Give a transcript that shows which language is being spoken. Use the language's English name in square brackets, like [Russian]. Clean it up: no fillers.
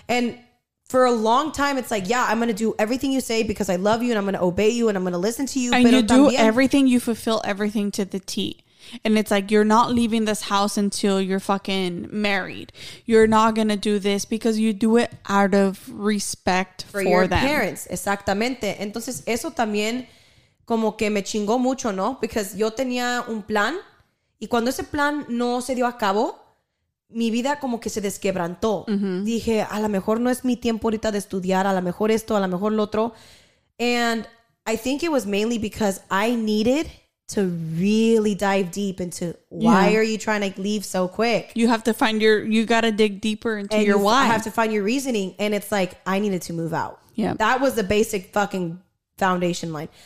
[English] And for a long time, it's like, I'm going to do everything you say because I love you and I'm going to obey you and I'm going to listen to you. And you do everything, you fulfill everything to the T. And it's like, you're not leaving this house until you're fucking married. You're not going to do this because you do it out of respect for your them. Parents. Exactamente. [Spanish] Entonces, eso también como que me chingó mucho, ¿no? [English] Because [Spanish] yo tenía un plan y cuando ese plan no se dio a cabo, mi vida como que se desquebrantó. Dije, a lo mejor no es mi tiempo ahorita de estudiar, a lo mejor esto, a lo mejor lo otro. [English] And I think it was mainly because I needed to really dive deep into why are you trying to leave so quick? You have to find you got to dig deeper into your why. I have to find your reasoning. And it's like, I needed to move out. Yeah. That was the basic fucking foundation line.